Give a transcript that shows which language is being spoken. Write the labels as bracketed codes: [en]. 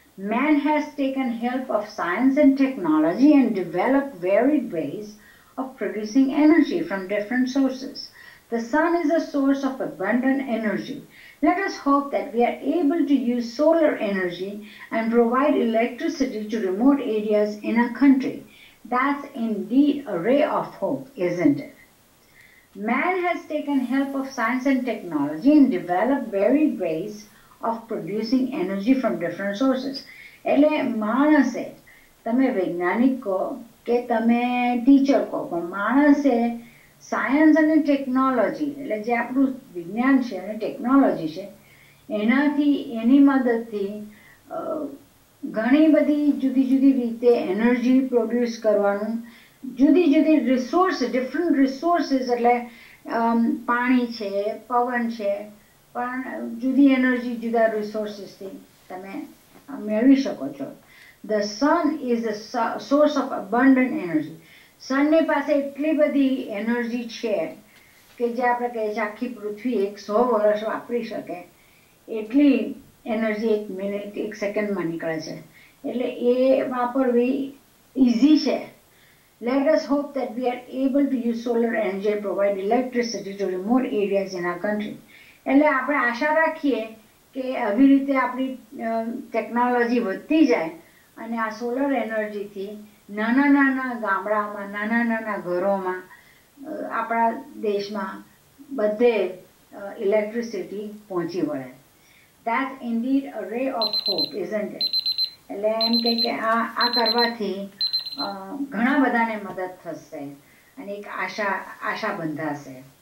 [en] Man has taken help of science and technology and develop varied ways of producing energy from different sources. The sun is a source of abundant energy. Let us hope that we are able to use solar energy and provide electricity to remote areas in a country. That's indeed a ray of hope, isn't it? Man has taken help of science and technology and developed varied ways of producing energy from different sources. [gu] એટલે માણસે, તમે વૈજ્ઞાનિક કહો કે તમે teacher કહો, પણ માણસે સાયન્સ અને ટેકનોલોજી એટલે જે આપણું વિજ્ઞાન છે અને ટેકનોલોજી છે એનાથી એની મદદથી ઘણી બધી જુદી જુદી રીતે એનર્જી પ્રોડ્યુસ કરવાનું, જુદી જુદી રિસોર્સ ડિફરન્ટ રિસોર્સીસ એટલે પાણી છે, પવન છે, પણ જુદી એનર્જી જુદા રિસોર્સીસથી તમે મેળવી શકો છો. [en] The sun is a source of abundant energy. [gu] સનની પાસે એટલી બધી એનર્જી છે કે જે આપણે કહીએ છીએ આખી પૃથ્વી 100 વર્ષ વાપરી શકે એટલી એનર્જી એક મિનિટ એક સેકન્ડમાં નીકળે છે, એટલે એ વાપરવી ઇઝી છે. [en] Let us hope that we are able to use solar energy and provide electricity to remote areas in our country. [gu] એટલે આપણે આશા રાખીએ કે આવી રીતે આપણી ટેકનોલોજી વધતી જાય અને આ સોલર એનર્જીથી નાના નાના ગામડાઓમાં, નાના નાના ઘરોમાં, આપણા દેશમાં બધે ઇલેક્ટ્રિસિટી પહોંચી વળે. [en] That's indeed a ray of hope, isn't it? [gu] એટલે એમ કહે કે આ કરવાથી ઘણા બધાને મદદ થશે અને એક આશા બંધાશે.